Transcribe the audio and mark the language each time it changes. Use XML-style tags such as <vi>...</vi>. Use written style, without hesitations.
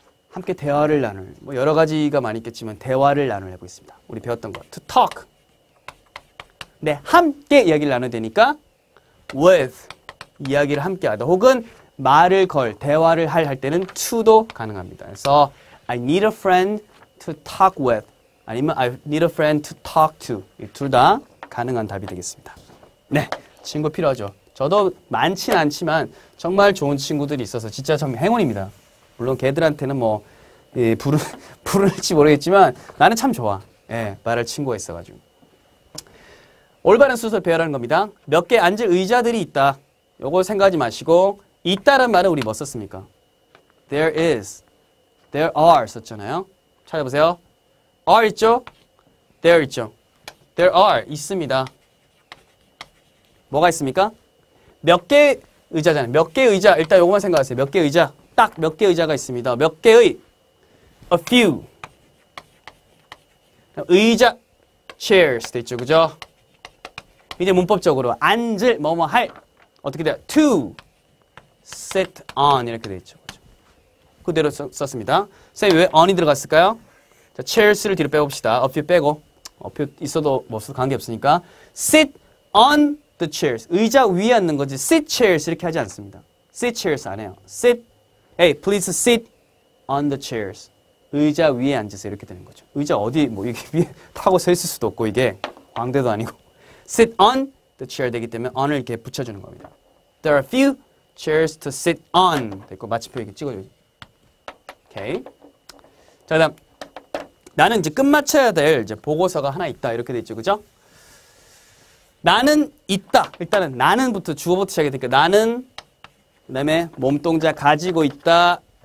<ko>함께 대화를 나눌. 뭐 여러 가지가 많이 있겠지만 대화를 나눌 해보겠습니다. 우리 배웠던 거. To talk. 네, 함께 이야기를 나눠야 되니까 with 이야기를 함께하다 혹은 말을 걸, 대화를 할, 할 때는 to도 가능합니다. 그래서</ko> <en>I need a friend to talk with</en> <ko>아니면</ko> <en>I need a friend to talk to</en> <ko>이 둘 다 가능한 답이 되겠습니다. 네, 친구 필요하죠. 저도 많진 않지만 정말 좋은 친구들이 있어서 진짜 참 행운입니다. 물론 걔들한테는 뭐 예, 부를지 모르겠지만 나는 참 좋아. 예, 말할 친구가 있어가지고. 올바른 순서를 배열하는 겁니다. 몇 개 앉을 의자들이 있다. 요거 생각하지 마시고 있다란 말은 우리 뭐 썼습니까?</ko> <en>There is, there are</en> <ko>썼잖아요. 찾아보세요. Are 있죠? There 있죠?</ko> <en>There are</en> <ko>있습니다. 뭐가 있습니까? 몇 개 의자잖아요. 몇 개 의자 일단 요거만 생각하세요. 몇 개 의자 딱 몇 개 의자가 있습니다. 몇 개의 A few 의자 Chairs 됐죠, 그죠? 이제 문법적으로 앉을 뭐뭐 할 어떻게 돼요?</ko> <en>To sit on</en> <ko>이렇게 되어있죠. 그렇죠? 그대로 썼습니다. 선생님 왜 on이 들어갔을까요? 자, chairs를 뒤로 빼봅시다. a few 빼고 a few 있어도 뭐 없어도 관계없으니까</ko> <en>sit on the chairs</en> <ko>의자 위에 앉는 거지</ko> <en>sit chairs</en> <ko>이렇게 하지 않습니다. sit chairs 안 해요.</ko> <en>sit hey please sit on the chairs</en> <ko>의자 위에 앉으세요 이렇게 되는 거죠. 의자 어디 뭐 이게 위에 타고 서 있을 수도 없고 이게 광대도 아니고</ko> <en>sit on the chair</en> <ko>되기 때문에 on을 이렇게 붙여주는 겁니다.</ko> <en>There are a few chairs to sit on.</en> <ko>됐고, 마침표 이렇게 찍어줘요. 오케이. 자, 다음. 나는 이제 끝마쳐야 될 이제 보고서가 하나 있다. 이렇게 돼있죠. 그죠? 나는 있다. 일단은 나는부터, 주어부터 시작이 되니까 나는, 그 다음에 몸동자 가지고 있다.</ko>